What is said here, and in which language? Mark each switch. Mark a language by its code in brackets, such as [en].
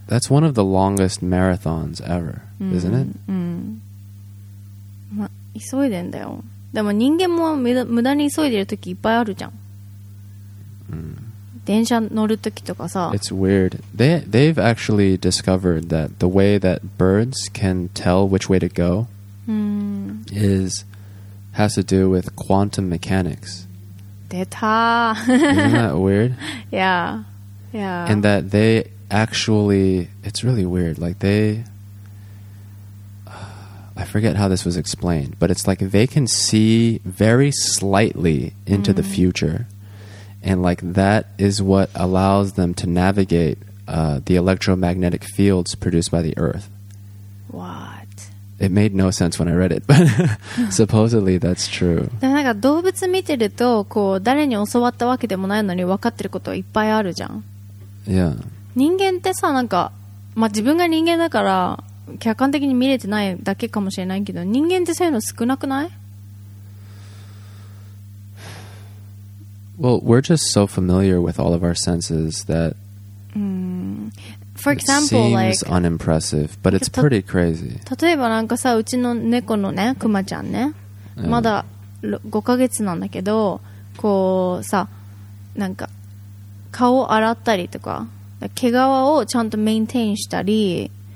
[en] That's one of the longest marathons ever, isn't it? [ja] うん。ま、急いでんだよ。でも人間も無駄に急いでるときいっぱいあるじゃん。電車乗るときとかさ。 [en] It's weird. They've actually discovered that the way that birds can tell which way to go has to do with quantum mechanics. [ja] 出た。 [en] Isn't that weird? Yeah. Yeah. And that they actually, it's really weird. Like they... I forget how this was explained, but it's like they can see very slightly into the future, and like that is what allows them to navigate the electromagnetic fields produced by the Earth. What? It made no sense when I read it, but supposedly that's true. [ja] でもなんか動物見てるとこう誰に教わったわけでもないのに分かってることはいっぱいあるじゃん。 [en] Yeah. [ja] 人間ってさ、なんかまあ自分が人間だから客観的に見れてないだけかもしれないけど、人間ってそういうの少なくない？ [en] Well, we're just so familiar with all of our senses that For example, it seems like, unimpressive, but it's pretty crazy. [ja] 例えばなんかさ、うちの猫のね、クマちゃんね、まだ5ヶ月なんだけど、こうさ、なんか顔を洗ったりとか、毛皮をちゃんとメインテインしたり、